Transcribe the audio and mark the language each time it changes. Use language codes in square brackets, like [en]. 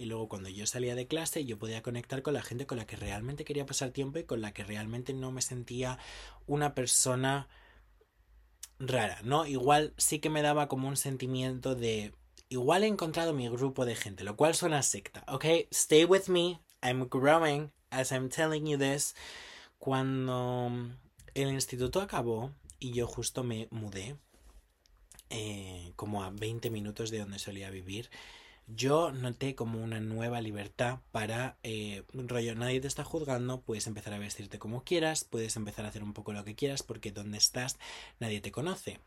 [es] Y luego cuando yo salía de clase, yo podía conectar con la gente con la que realmente quería pasar tiempo y con la que realmente no me sentía una persona rara, ¿no? Igual sí que me daba como un sentimiento de igual he encontrado mi grupo de gente, lo cual suena a secta. [en] Ok, stay with me, I'm growing as I'm telling you this. [es] Cuando el instituto acabó y yo justo me mudé, como a 20 minutos de donde solía vivir, yo noté como una nueva libertad para, rollo, nadie te está juzgando, puedes empezar a vestirte como quieras, puedes empezar a hacer un poco lo que quieras, porque donde estás nadie te conoce.